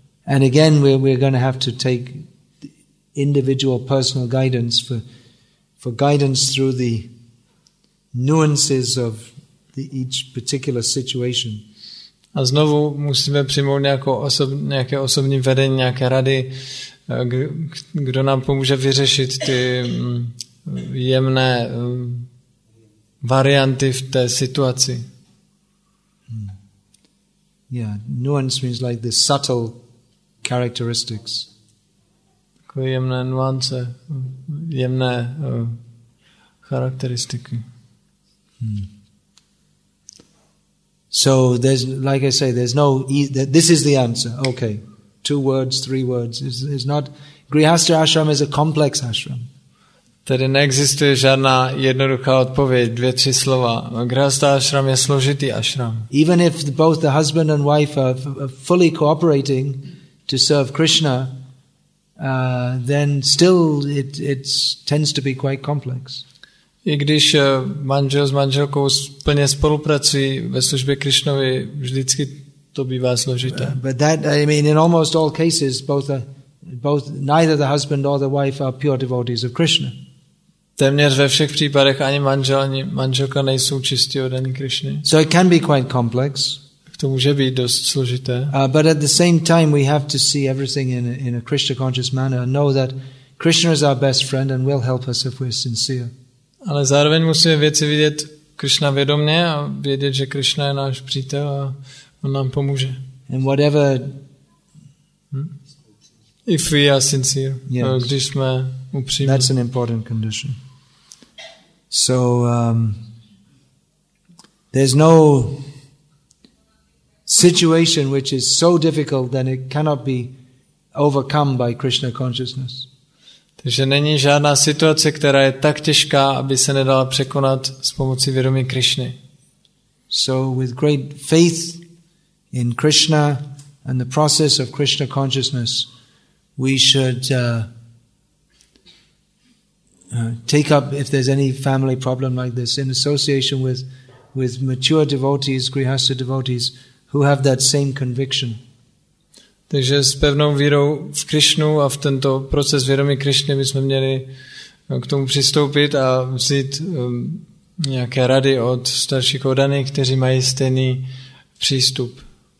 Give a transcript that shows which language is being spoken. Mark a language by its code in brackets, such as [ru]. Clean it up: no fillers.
[en] And again we're going to have to take individual personal guidance for guidance through the nuances of each particular situation. [cs] A znovu musíme přijmout nějaké osobní vedení, nějaké rady, kdo nám pomůže vyřešit ty jemné varianty v té situaci. [en] Yeah, nuance means like the subtle characteristics. [cs] Takové jemné nuance, jemné charakteristiky. [en] So there's, like I say, there's no, this is the answer. Okay, two words, three words. It's not, Grihastha ashram is a complex ashram. [cs] Tedy neexistuje žádná jednoduchá odpověď, dvě, tři slova. Grihastha ashram je složitý ashram. [en] Even if both the husband and wife are fully cooperating to serve Krishna, then still it tends to be quite complex. [cs] I když manžel s manželkou plně spolupracují ve službě Krišnovi, vždycky to bývá složité. [en] But that, I mean, in almost all cases, neither the husband or the wife are pure devotees of Krishna. [cs] Téměř ve všech případech ani manžel, ani manželka nejsou čistí oddaní Krišny. [en] So it can be quite complex. [cs] To může být dost složité. [en] But at the same time, we have to see everything in a Krishna conscious manner and know that Krishna is our best friend and will help us if we're sincere. [cs] Ale zároveň musíme věci vidět Krishna vědomně a vědět, že Krishna je náš přítel a on nám pomůže. [en] And whatever, if we are sincere, yes. [cs] Když jsme upřímní. [en] That's an important condition. So there's no situation which is so difficult that it cannot be overcome by Krishna consciousness. [cs] Takže není žádná situace, která je tak těžká, aby se nedala překonat s pomocí vědomí Krišny. [en] So with great faith in Krishna and the process of Krishna consciousness, we should take up, if there's any family problem like this, in association with mature devotees, grihastha devotees, who have that same conviction. [cs] Takže s pevnou vírou v Krišnu a v tento proces vědomí Krišny bychom měli k tomu přistoupit a vzít nějaké rady od starších oddaných, kteří mají stejný přístup.